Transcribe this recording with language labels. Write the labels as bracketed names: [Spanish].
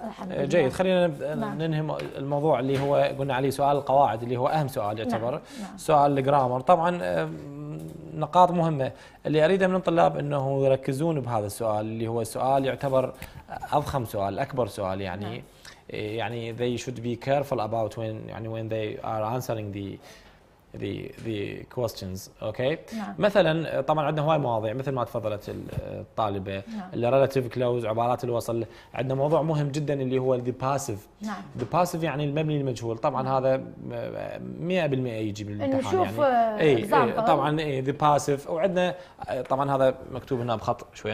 [Arabic] جيد خلينا ننهي الموضوع اللي هو قلنا عليه سؤال القواعد اللي هو اهم سؤال يعتبر. نعم. سؤال الجرامر طبعا نقاط مهمه اللي اريده من الطلاب انه يركزون بهذا السؤال اللي هو سؤال يعتبر اضخم سؤال اكبر سؤال يعني. نعم. يعني [English] they should be careful about when يعني when they are answering the questions okay. [Arabic] نعم. مثلا طبعا عندنا هواي مواضيع مثل ما تفضلت الطالبه. نعم. الريلاتيف كلوز عبارات الوصل. عندنا موضوع مهم جدا اللي هو the passive. نعم. the passive يعني المبني المجهول طبعا. نعم. هذا 100% يجي من الامتحان نشوف يعني. طبعا the passive وعندنا طبعا هذا مكتوب هنا بخط شويه.